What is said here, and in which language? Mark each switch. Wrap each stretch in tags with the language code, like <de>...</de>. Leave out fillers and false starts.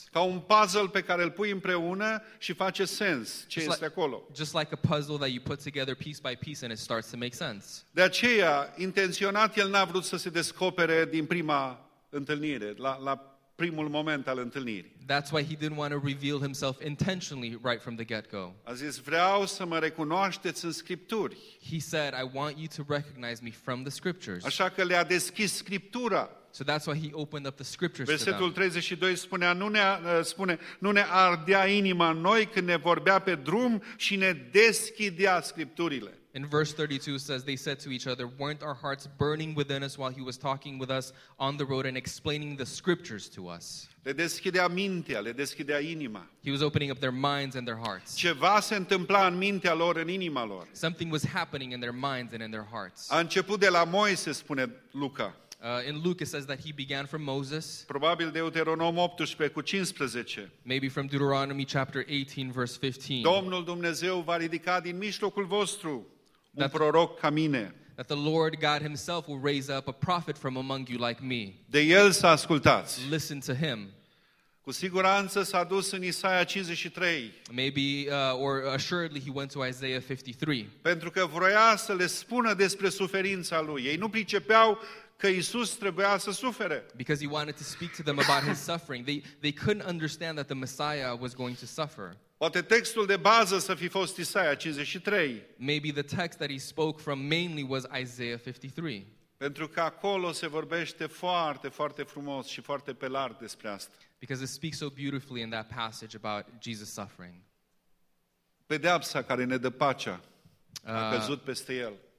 <ro>Ca un puzzle pe care îl pui împreună și face sens ce just este</ro> <en>like,</en> <ro>acolo.</ro> <en>Just like a puzzle that you put together piece by piece and it starts to make sense.</en> <ro>De aceea, intenționat, el n-a vrut să se descopere din prima întâlnire, la primul moment al întâlnirii.</ro> <en>That's why he didn't want to reveal himself intentionally right from the get-go.</en> <ro>A zis, vreau să mă recunoașteți în scripturi.</ro> <en>He said, I want you to recognize me from the scriptures.</en> <ro>Așa că le-a deschis scriptura.</ro> <en>So that's why he opened up the scriptures.</en> <ro>Versetul 32 spune, nu ne ardea inima noi când ne vorbea pe drum și ne deschidea scripturile.</ro> <en>In verse 32 says, they said to each other, weren't our hearts burning within us while he was talking with us on the road and explaining the scriptures to us?</en> <ro>Le deschidea mintea, le deschidea inima.</ro> <en>He was opening up their minds and their hearts.</en> <ro>Ceva se întâmpla în mintea lor, în inima lor.</ro> <en>Something was happening in their minds and in their hearts.</en> <ro>A început de la Moise, spune Luca.</ro> <en>In Luke it says that he began from Moses.</en> <ro>Probabil Deuteronom 18 cu 15.</ro> <en>Maybe from Deuteronomy chapter 18 verse 15.</en> <ro>Domnul Dumnezeu va ridica din mijlocul vostru un proroc ca mine.</ro> <en>That the Lord God himself will raise up a prophet from among you like me.</en> <ro>De el să ascultați.</ro> <en>Listen to him.</en> <ro>Cu siguranță s-a dus în Isaia 53.</ro> <en>Maybe or assuredly he went to Isaiah 53.</en> <ro>Pentru că vroia să le spună despre suferința lui. Ei nu pricepeau că Iisus trebuia să sufere.</ro> <en>Because he wanted to speak to them about his suffering. They couldn't understand that the Messiah was going to suffer.</en> <ro>Poate textul de bază să fi fost Isaia 53.</ro> <en>Maybe the text that he spoke from mainly was Isaiah 53.</en> <ro>Pentru că acolo se vorbește foarte, foarte frumos și foarte pe larg despre asta.</ro> <en>Because it speaks so beautifully in that passage about Jesus suffering.</en> <ro>Pedeapsa care ne dă pacea a căzut peste el.</ro>